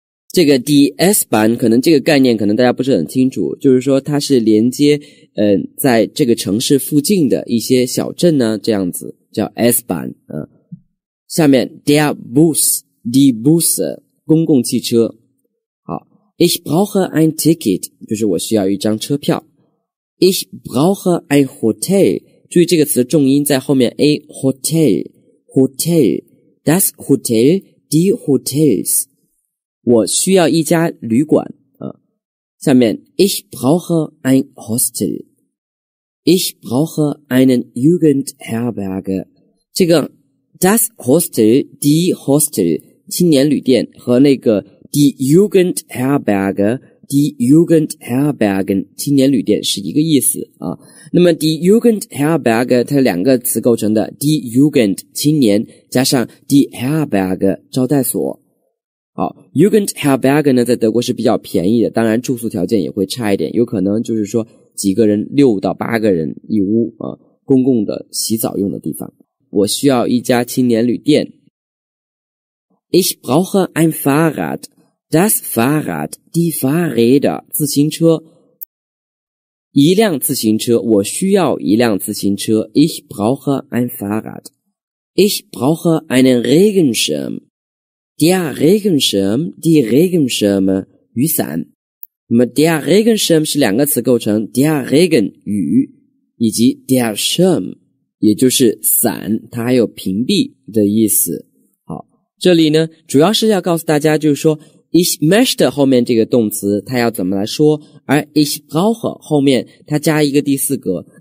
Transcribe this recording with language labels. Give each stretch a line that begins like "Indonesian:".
Chinese: 这个 die S-Bahn 可能这个概念可能大家不是很清楚，就是说它是连接在这个城市附近的一些小镇呢，这样子叫 S-Bahn。
German: 下面 der Bus, die Busse, 公共汽车。
Chinese: 好，
German: Ich brauche ein Ticket,
Chinese: 就是我需要一张车票。
German: Ich brauche ein Hotel,
Chinese: 注意这个词重音在后面
German: A, Hotel, Hotel, das Hotel, die Hotels。
Chinese: 我需要一家旅馆啊。
German: 下面 Ich brauche ein Hostel。 Ich brauche einen Jugendherberge。
Chinese: 这个 das Hostel, die Hostel, 青年旅店和那个 die Jugendherberge, die Jugendherbergen, 青年旅店是一个意思啊。那么 die Jugendherberge 它两个词构成的， die Jugend, 青年，加上 die Herberge, 招待所。好， Jugendherberge 呢在德国是比较便宜的，当然住宿条件也会差一点，有可能就是说几个人，六到八个人一屋啊，公共的洗澡用的地方。我需要一家青年旅店。
German: Ich brauche ein Fahrrad, das Fahrrad, die Fahrräder, 自行车。
Chinese: 一辆自行车，我需要一辆自行车。
German: Ich brauche ein Fahrrad. Ich brauche einen Regenschirm. Der Regenschirm, die Regenschirme, 雨伞。
Chinese: 那么 ，der Regenschirm 是两个词构成 ，der Regen 雨，以及 der Schirm 也就是伞，它还有屏蔽的意思。好，这里呢，主要是要告诉大家，就是说。Ich möchte 后面这个动词它要怎么来说，而 Ich brauche 后面它加一个第四格。